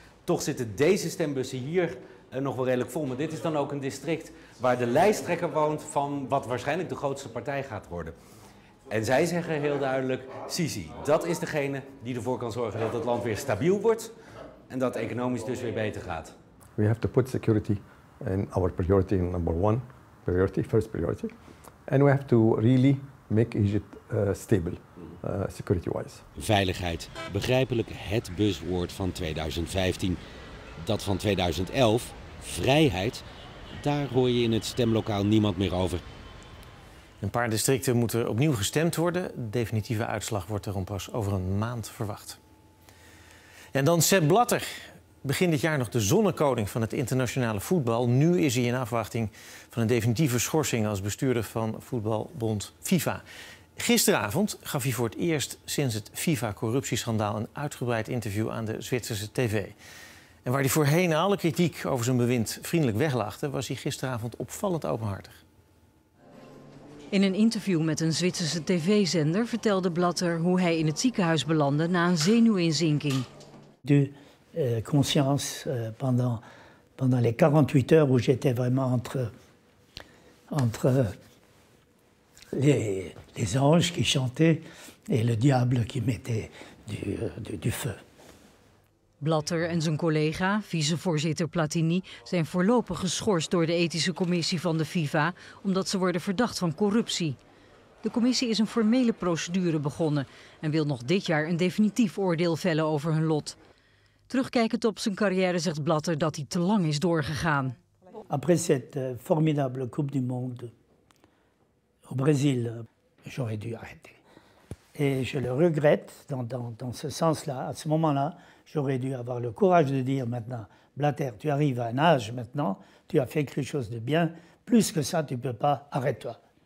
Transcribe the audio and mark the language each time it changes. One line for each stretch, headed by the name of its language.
Dutch: Toch zitten deze stembussen hier nog wel redelijk vol. Maar dit is dan ook een district waar de lijsttrekker woont van wat waarschijnlijk de grootste partij gaat worden. En zij zeggen heel duidelijk, Sisi, dat is degene die ervoor kan zorgen dat het land weer stabiel wordt en dat economisch dus weer beter gaat.
English: We have to put security in our priority in number one, priority, first priority. And we have to really make Egypt stable, security-wise.
Dutch: Veiligheid, begrijpelijk het buzzword van 2015. Dat van 2011, vrijheid, daar hoor je in het stemlokaal niemand meer over. Een paar districten moeten opnieuw gestemd worden. De definitieve uitslag wordt erom pas over een maand verwacht. En dan Sepp Blatter. Begin dit jaar nog de zonnekoning van het internationale voetbal. Nu is hij in afwachting van een definitieve schorsing als bestuurder van voetbalbond FIFA. Gisteravond gaf hij voor het eerst sinds het FIFA-corruptieschandaal een uitgebreid interview aan de Zwitserse TV. En waar hij voorheen alle kritiek over zijn bewind vriendelijk weglachte, was hij gisteravond opvallend openhartig. In een interview met een Zwitserse tv-zender vertelde Blatter hoe hij in het ziekenhuis belandde na een zenuwinzinking.
French: De conscience pendant les 48 heures où j'étais vraiment entre les anges qui chantaient et le diable qui mettait du feu.
Dutch: Blatter en zijn collega, vicevoorzitter Platini, zijn voorlopig geschorst door de ethische commissie van de FIFA, omdat ze worden verdacht van corruptie. De commissie is een formele procedure begonnen en wil nog dit jaar een definitief oordeel vellen over hun lot. Terugkijkend op zijn carrière zegt Blatter dat hij te lang is doorgegaan.
French: Après cette formidable Coupe du Monde au Brésil, j'aurais dû arrêter. Et je le regrette dans ce sens-là, à ce moment-là. J'aurais dû avoir le courage de dire maintenant, Blatter, tu arrives à un âge maintenant, tu as fait quelque chose de bien, plus que ça, tu ne peux pas, arrête-toi.